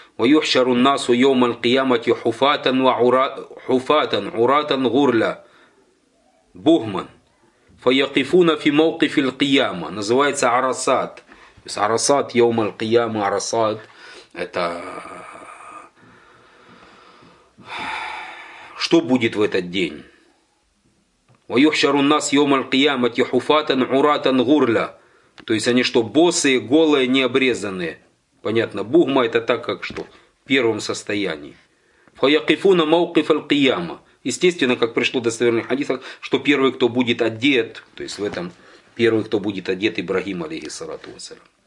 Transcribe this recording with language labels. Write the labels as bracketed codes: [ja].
[ar] وَيُحْشَرُ النَّاسُ يَوْمَ الْقِيَامَةِ حُفَاتًا وَعُرَاتًا عُرَاتًا غُرْلًا بُهْمًا فَيَقِفُونَ فِي مَوْقِفِ الْقِيَامَةِ. [ru] Называется Арасат. То есть Арасат, [ar] يَوْمَ الْقِيَامَةِ [ru] Арасат. Это что будет в этот день? [ar] وَيُحْشَرُ النَّاسُ يَوْمَ الْقِيَامَةِ حُفَاتًا عُرَاتًا غُرْلًا. [ru] То есть они что, босые, голые, необрезанные. Понятно, бугма это так, как что, в первом состоянии. [ar] Фаякифуна маукиф аль-кияма. [ru] Естественно, как пришло в достоверных хадисах, что первый, кто будет одет, то есть в этом первый, кто будет одет, Ибрагим, алейхиссалату вассалям.